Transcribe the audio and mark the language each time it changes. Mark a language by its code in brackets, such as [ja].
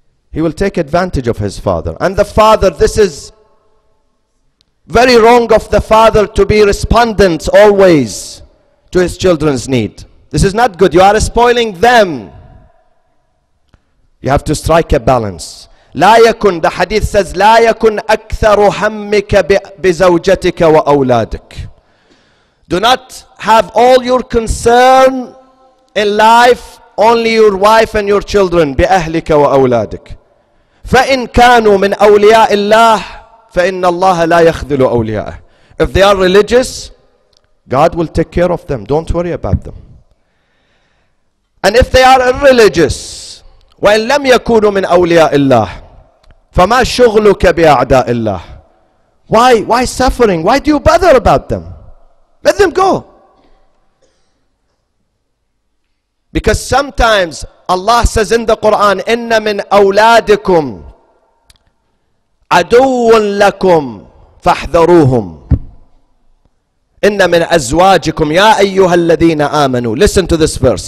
[en] He will take advantage of his father. And the father, this is very wrong of the father to be respondent always to his children's need. This is not good. You are spoiling them. You have to strike a balance. [ar] لا يكن, [en] the hadith says, [ar] لا يكن أكثر همك بزوجتك وأولادك. [en] Do not have all your concern in life only your wife and your children. [ar] بأهلك وأولادك. فَإِنْ كَانُوا مِنْ أَوْلِيَاءِ اللَّهِ فَإِنَّ اللَّهَ لَا يَخْذِلُ أَوْلِيَاءَهِ. [en] If they are religious, God will take care of them. Don't worry about them. And if they are irreligious, [ar] وَإِنْ لَمْ يَكُونُوا مِنْ أَوْلِيَاءِ اللَّهِ فَمَا شُغْلُكَ بِأَعْدَاءِ اللَّهِ. [en] Why suffering? Why do you bother about them? Let them go. Because sometimes Allah says in the Quran, [ar] إِنَّ مِنْ أَوْلَادِكُمْ عَدُوٌ لَكُمْ فَاحْذَرُوهُمْ إِنَّ مِنْ أَزْوَاجِكُمْ يَا أَيُّهَا الَّذِينَ آمَنُوا. [en] Listen to this verse.